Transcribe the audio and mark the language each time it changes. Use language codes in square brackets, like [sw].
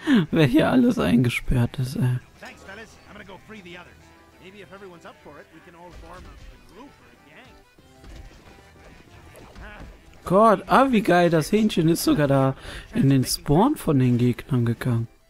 [de] Wer hier alles eingesperrt ist, ey. [en] Thanks, fellas. I'm gonna go free the others. Maybe if everyone's up for it, we can all form a group or a gang. [de] Gott, ah, wie geil, das Hähnchen ist sogar da in den Spawn von den Gegnern gegangen.